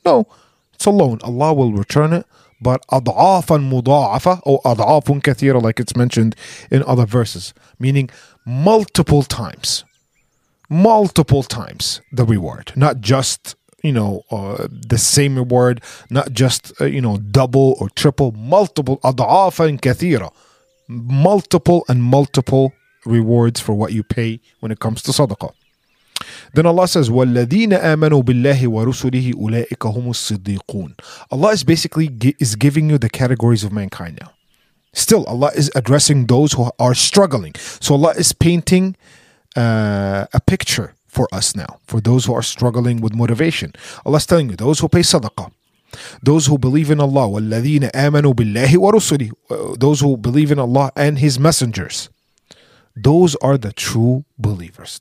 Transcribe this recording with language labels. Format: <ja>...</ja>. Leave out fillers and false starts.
<en>No, it's a loan. Allah will return it. But</en> <ar>adhafan mudha'afa</ar> <en>or</en> <ar>adhafun kathira,</ar> <en>like it's mentioned in other verses, meaning multiple times the reward, not just, you know, the same reward, not just, you know, double or triple, multiple,</en> <ar>adhafan kathira,</ar> <en>multiple and multiple rewards for what you pay when it comes to sadaqah. Then Allah says,</en> <ar>وَالَّذِينَ آمَنُوا بِاللَّهِ وَرُسُلِهِ أُولَٰئِكَ هُمُ الصِّدِّيقُونَ.</ar> <en>Allah is basically is giving you the categories of mankind now. Still, Allah is addressing those who are struggling. So Allah is painting a picture for us now, for those who are struggling with motivation. Allah is telling you, those who pay sadaqah, those who believe in Allah,</en> <ar>وَالَّذِينَ آمَنُوا بِاللَّهِ وَرُسُلِهِ,</ar> <en>those who believe in Allah and His messengers, those are the true believers.</en>